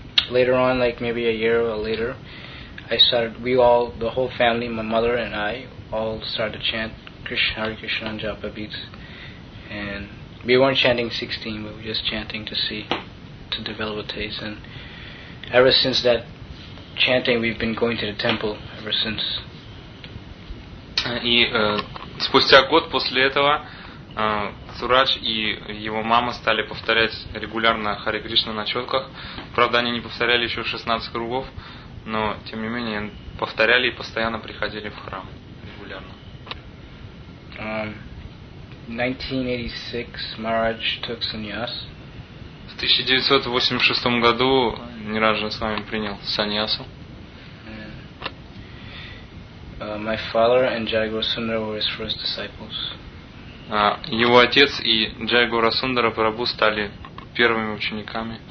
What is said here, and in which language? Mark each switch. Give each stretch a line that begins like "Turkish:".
English: Later on, like maybe a year or later, the whole family, my mother and I, all started to chant Krishna Hare Krishna and Japa beats. And we weren't chanting 16, we were just chanting to develop a taste. And ever since that chanting, we've been going to the temple ever since.
Russian: И спустя год после этого Сурадж и его мама стали повторять регулярно Харе Кришна на четках. Правда, они не повторяли еще 16 кругов, но тем не менее повторяли и постоянно приходили в храм регулярно.
English: 1986 Maharaj took sannyas.
Russian: В 1986 году Ниранджан с вами принял саньясу.
English: My father and Jai Gaurasundara were his first disciples.
Russian: Его отец и Джай Гаурасундара Прабху стали первыми учениками.